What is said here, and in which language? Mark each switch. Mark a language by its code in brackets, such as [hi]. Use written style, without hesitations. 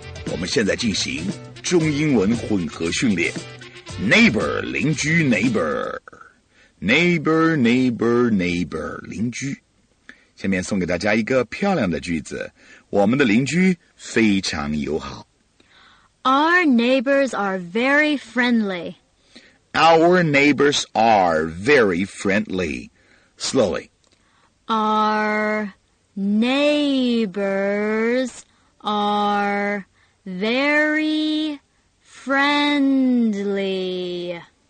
[zh] 我们现在进行中英文混合训练。 [en] Neighbor, [zh] 邻居 [en] neighbor. Neighbor, neighbor, neighbor, [zh] 邻居。下面送给大家一个漂亮的句子。我们的邻居非常友好。 [en] Our neighbors are very friendly. Our neighbors are very friendly. Slowly. Our neighbors are very friendly.